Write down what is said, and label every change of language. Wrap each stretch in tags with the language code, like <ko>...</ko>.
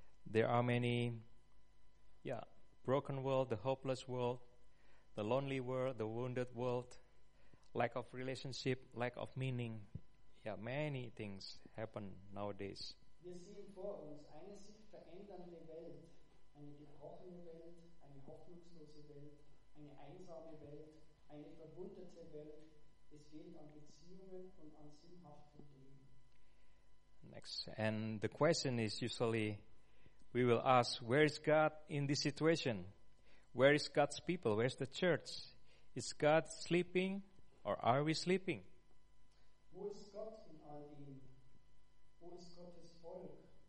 <en>There are many broken world, the hopeless world, the lonely world, the wounded world, lack of relationship, lack of meaning. Yeah, many things happen nowadays.</en> <de>Wir sehen vor uns eine sich verändernde Welt, eine gebrochene Welt, eine hoffnungslose Welt, eine einsame Welt. Eine verwundete Welt, es geht an Beziehungen und an sinnhaftem Leben.</de> <en>Next, and the question is usually, we will ask, where is God in this situation? Where is God's people? Where is the church? Is God sleeping or are we sleeping?</en> <de>Wo ist Gott in all dem? Wo ist Gottes Volk?</de>